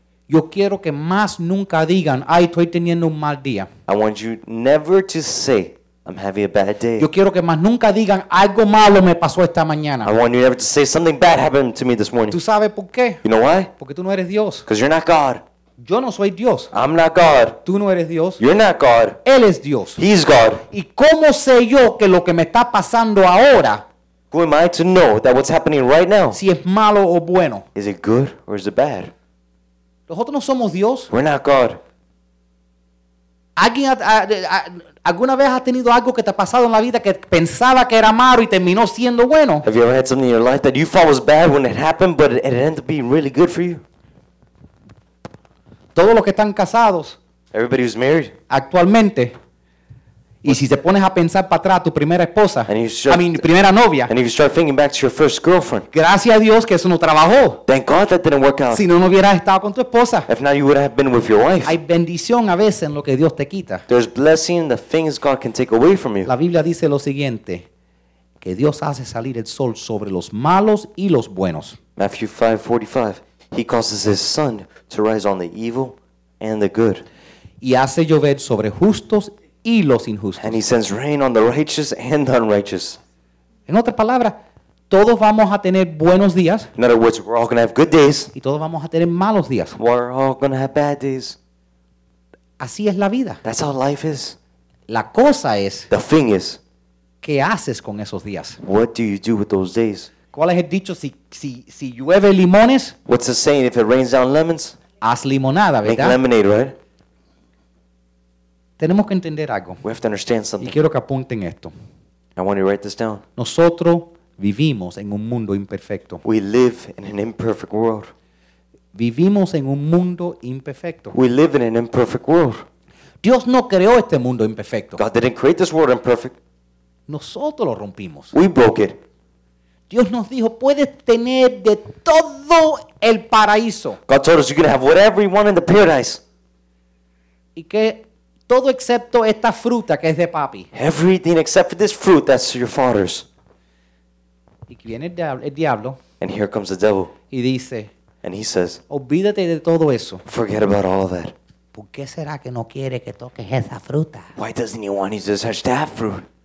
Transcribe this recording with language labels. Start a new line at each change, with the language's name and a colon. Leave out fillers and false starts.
Spanish: yo quiero que más nunca digan, ay, estoy teniendo un mal día.
English: I want you never to say, I'm having a bad day.
Spanish: Yo quiero que más nunca digan, algo malo me pasó esta mañana.
English: I want you never to say, something bad happened to me this morning.
Spanish: ¿Tú sabes por qué?
English: You know why?
Spanish: Porque tú no eres Dios.
English: Because you're not God.
Spanish: Yo no soy Dios.
English: I'm not God.
Spanish: Tú no eres Dios.
English: You're not God.
Spanish: Él es Dios.
English: He's God.
Spanish: ¿Y cómo sé yo que lo que me está pasando ahora,
English: who am I to know that what's happening right now,
Spanish: si es malo o bueno,
English: is it good or is it bad?
Spanish: Nosotros no somos Dios.
English: We're not God.
Spanish: ¿Alguien alguna vez ha tenido algo que te ha pasado en la vida que pensaba que era malo y terminó siendo bueno?
English: Have you ever had something in your life that you thought was bad when it happened, but it ended up being really good for you?
Spanish: Todos los que están casados,
English: everybody who's married,
Spanish: actualmente, y si te pones a pensar para atrás, tu primera esposa, primera novia,
English: and if you start thinking back to your first girlfriend,
Spanish: gracias a Dios que eso no trabajó.
English: Thank God that didn't work out.
Spanish: Si no, no hubieras estado con tu esposa.
English: If not, you would have been with your wife.
Spanish: Hay bendición a veces en lo que Dios te quita.
English: There's blessing in the things God can take away from you.
Spanish: La Biblia dice lo siguiente, que Dios hace salir el sol sobre los malos y los buenos.
English: Matthew 5:45, He causes His sun to rise on the evil and the good.
Spanish: Y hace llover sobre justos y los injustos.
English: And He sends rain on the righteous and the unrighteous.
Spanish: En otras palabras, todos vamos a tener buenos días.
English: In other words, we're all going to have good days.
Spanish: Y todos vamos a tener malos días.
English: We're all going to have bad days.
Spanish: Así es la vida.
English: That's how life is.
Spanish: La cosa es,
English: the thing is,
Spanish: ¿qué haces con esos días?
English: What do you do with those days?
Spanish: ¿Cuál es el dicho? Si llueve limones,
English: what's the saying? If it rains down lemons,
Spanish: haz limonada, ¿verdad?
English: Make lemonade, right?
Spanish: Tenemos que entender algo.
English: We have to understand something.
Spanish: Y quiero que apunten esto.
English: I want you to write this down.
Spanish: Nosotros vivimos en un mundo imperfecto.
English: We live in an imperfect world.
Spanish: Vivimos en un mundo imperfecto.
English: We live in an imperfect world.
Spanish: Dios no creó este mundo imperfecto.
English: God didn't create this world imperfect.
Spanish: Nosotros lo rompimos.
English: We broke it.
Spanish: Dios nos dijo, puedes tener de todo el paraíso.
English: God told us you can have whatever you want in the paradise.
Spanish: Y que todo excepto esta fruta que es de papi.
English: Everything except for this fruit that's your father's.
Spanish: Y viene el diablo.
English: And here comes the devil.
Spanish: Y dice,
English: and he says,
Spanish: olvídate de todo eso.
English: Forget about all of that.
Spanish: ¿Por qué será que no quiere que toques esa fruta?
English: Why doesn't he want you to touch that fruit?